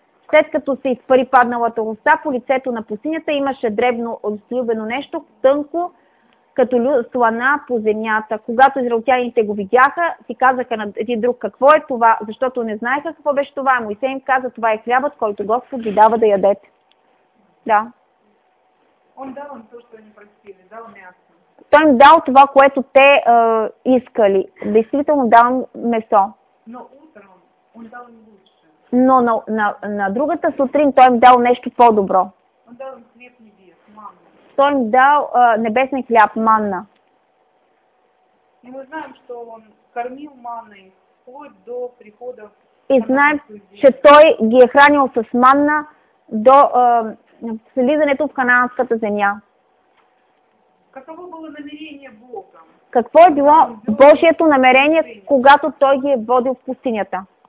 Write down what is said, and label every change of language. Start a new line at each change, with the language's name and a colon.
Bulgarian: След като се изпари падналата роса, по лицето на пустинята имаше дребно отслюбено нещо, тънко, като слона по земята. Когато израелтяните го видяха, си казаха на един друг какво е това, защото не знаеха какво беше това. Моисей им каза, това е хлябът, който Господ ви дава да ядете. Да.
Russian: Он дал им то, що ни просили, дал мясо.
Bulgarian: Той им дал това, което те искали. Действително дал месо.
Russian: Но утром, Он дал им лучше.
Bulgarian: Но на другата сутрин той им дал нещо по-добро.
Russian: Он дал им хлеб небес, манна.
Bulgarian: Той им дал небесен хляб, манна.
Russian: И мы знаем, что он кормил манной вплоть до прихода.
Bulgarian: И знаем, че той ги е хранил с манна до слизането в Ханаанската земя.
Russian: Каково было намерение Бога?
Bulgarian: Какво е било Божието намерение, когато той ги е водил в пустинята?